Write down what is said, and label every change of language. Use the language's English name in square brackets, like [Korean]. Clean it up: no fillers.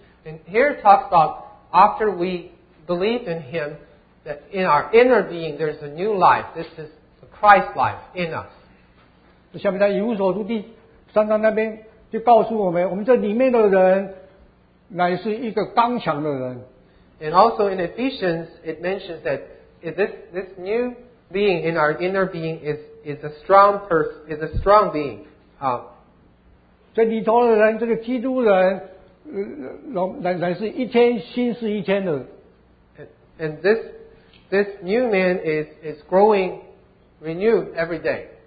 [English] And here it talks about after we believe in Him, that in our inner being there's a new life. This is the Christ life in us. [Chinese] 下面在以弗所书第三章那边就告诉我们，我们这里面的人乃是一个刚强的人。 [English] And also in Ephesians, it mentions that this new being in our inner being is a strong being. [Chinese] 这里头的人，这个基督人。乃是一天新是一天的。 [English] And this new man is growing renewed every day.